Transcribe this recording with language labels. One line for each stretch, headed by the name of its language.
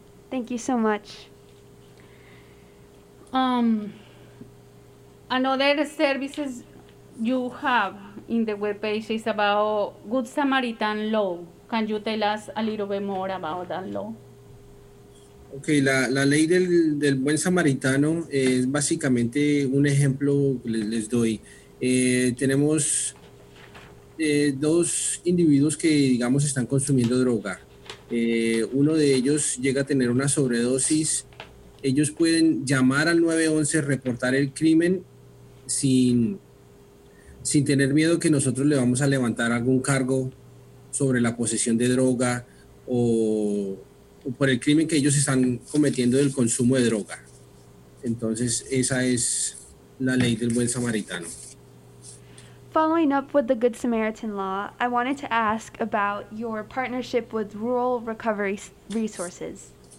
English: Thank you so much. Another services you have in the webpage is about Good Samaritan Law. Can you tell us a little bit more about that law?
Spanish: Okay, la ley del buen samaritano es básicamente un ejemplo que les doy. Tenemos dos individuos que, digamos, están consumiendo droga. Uno de ellos llega a tener una sobredosis. Ellos pueden llamar al 911, reportar el crimen. sin tener miedo que nosotros le vamos a levantar algún cargo sobre la posesión de droga o por el crimen que ellos están cometiendo del consumo de droga. Entonces, esa es la ley del buen samaritano.
English: Following up with the Good Samaritan Law, I wanted to ask about your partnership with Rural Recovery Resources.